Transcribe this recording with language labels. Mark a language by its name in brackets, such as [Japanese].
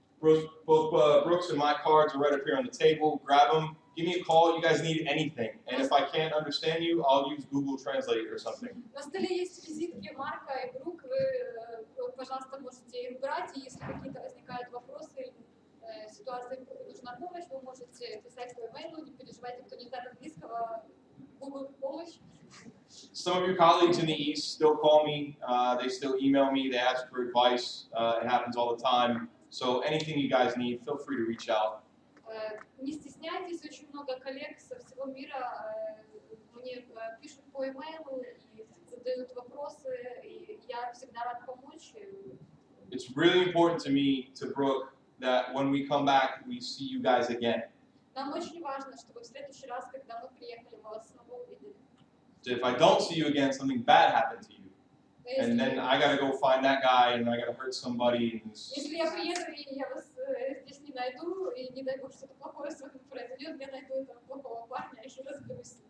[English] Brooks and my cards are right up here on the table. Grab them. Give me a call if you guys need anything. And if I can't understand you, I'll use Google Translate or something. [Russian] На столе есть визитки Марка и Брук. Вы, пожалуйста, можете их брать. И если какие-то возникают вопросы, ситуации, нужна помощь, вы можете писать свой email. Не переживайте, кто не так близко, Google помощь. [English] some of your colleagues in the East still call me, they still email me, they ask for advice, it happens all the time. So anything you guys need, feel free to reach out. [Russian] Не стесняйтесь, очень много коллег со всего мира мне пишут по имейлу и задают вопросы, и я всегда рад помочь. [English] It's really important to me, to Brooke, that when we come back, we see you guys again. [Russian] Нам очень важно, чтобы в следующий раз, когда мы приехали, мы вас снова увидели. [English] So if I don't see you again, something bad happened to you. And then I gotta go find that guy, and I gotta hurt somebody. [Russian] Если я приеду, и я вас здесь не найду, и не дай бог что-то плохое с вами произойдет, я найду этого плохого парня, еще раз говорю.